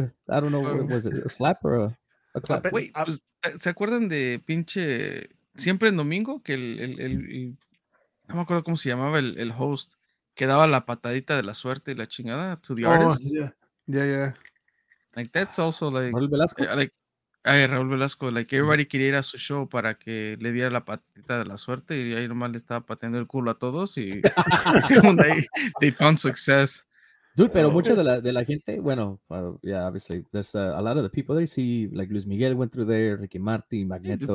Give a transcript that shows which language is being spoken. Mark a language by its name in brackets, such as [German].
[English] I don't know, was it a slap or a clap? [Spanish] Wait, ¿se acuerdan de pinche siempre en domingo? Que el no me acuerdo cómo se llamaba el host que daba la patadita de la suerte y la chingada [English] to the artist. Oh, yeah. Like, that's also like... Raúl Velasco. [Spanish] Raúl Velasco, [English] like everybody [Spanish] quería ir a su show para que le diera la patita de la suerte y ahí nomás le estaba pateando el culo a todos y según ahí [English] they found success. Dude, [Spanish] pero mucha de la gente, bueno, [English] yeah, obviously, there's a lot of the people there. See, like Luis Miguel went through there, Ricky Martin, Magneto.